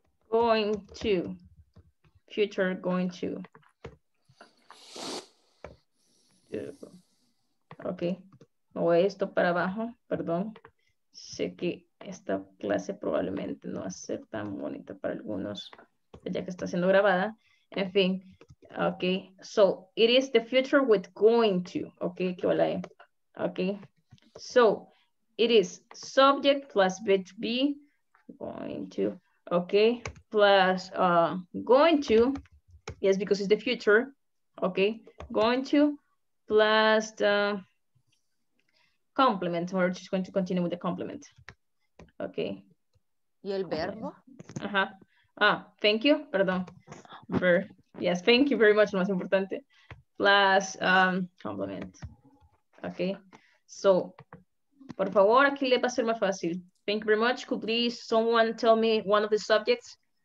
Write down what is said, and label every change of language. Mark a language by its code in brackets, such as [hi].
[en] Going to. Future going to. [es] Okay. Me voy esto para abajo, perdón. Sé que esta clase probablemente no va a ser tan bonita para algunos, ya que está siendo grabada. En fin, ok. [en] So, it is the future with going to. Ok, [es] que va la E. [en] Ok. So, it is subject plus verb be going to. Ok. Plus going to. Yes, because it's the future. Ok. Going to plus the complement. We're just going to continue with the complement. Okay. [es] ¿Y el verbo? [en] Ajá. Ah, thank you. Perdón. Yes, thank you very much. [es] Lo más importante. [en] Plus complement. Okay. [es] So, por favor, aquí le va a ser más fácil. [en] Thank you very much. Could please someone tell me one of the subjects?